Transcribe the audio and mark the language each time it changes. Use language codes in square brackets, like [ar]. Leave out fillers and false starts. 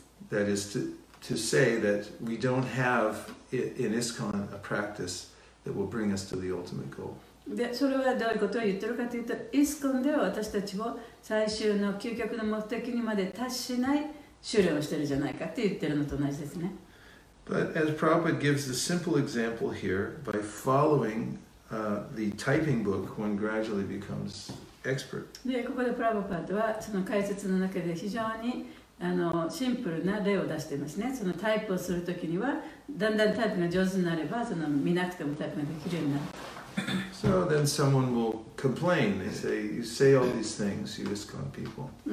[en] That is to say that we don't have in ISKCON a practice that will bring us to the ultimate goal. [ja] で、それはどういうことを言ってるかというと、イスコンでは私たちを最終の究極の目的にまで達しない修練をしてるじゃないかって言ってるのと同じですね。 [en] But as Prabhupada gives the simple example here, by following the typing book, one gradually becomes expert. [ja] で、ここでプラヴァパッドはその解説の中で非常にシンプルな例を出していますね。そのタイプをするときには、だんだんタイプが上手になれば、その見なくてもタイプができるようになる。 [en] So then someone will complain. They say, you say all these things, you ISKCON people.